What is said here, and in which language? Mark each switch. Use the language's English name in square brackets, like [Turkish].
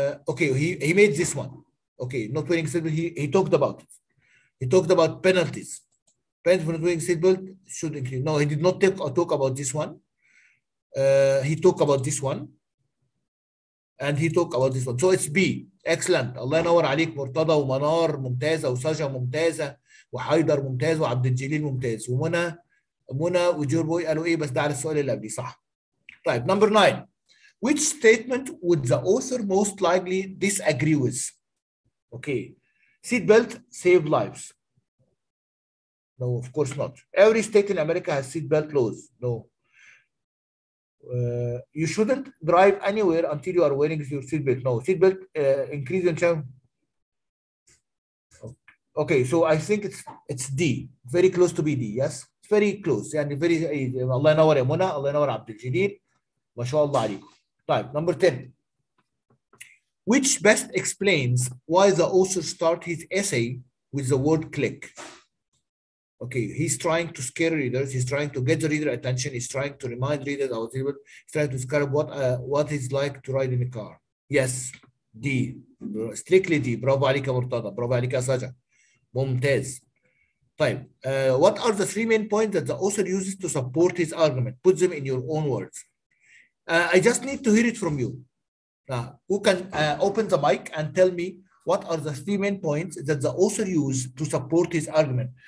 [English] Okay, he made this one. Okay, not wearing seatbelt. He talked about it. He talked about penalties. Penalties for not wearing seatbelt should increase. No, he did not talk about this one. He talked about this one. And he talked about this one. So it's B. Excellent. [Arabic] Allah ينور عليك. مرتضى ومنار ممتازة وسجا ممتازة وحيدر ممتاز وعبد الجليل ممتاز ومنى. منى وجور بوي قالوا ايه بس ده على السؤال اللي قبلي صح. طيب نمبر 9. [English] Which statement would the author most likely disagree with? Okay. Seat belt save lives. No, of course not. Every state in America has seat belt laws. No. You shouldn't drive anywhere until you are wearing your seat belt. No. Seat belt increase in chance. Okay, so I think it's D. Very close to be D, yes? It's very close. And very, [Arabic] Allah ينور يا منى، الله ينور عبد الجليل. ما شاء الله عليكم. طيب، [English] number 10. Which best explains why the author start his essay with the word click? Okay, he's trying to scare readers. He's trying to get the reader attention. He's trying to remind readers. He's trying to describe what it's like to ride in a car. Yes, D. Strictly D. [Arabic] Bravo عليك يا مرتضى. Bravo عليك يا سجا. ممتاز. [English] طيب what are the three main points that the author uses to support his argument? Put them in your own words. I just need to hear it from you. Who can open the mic and tell me what are the three main points that the author used to support his argument?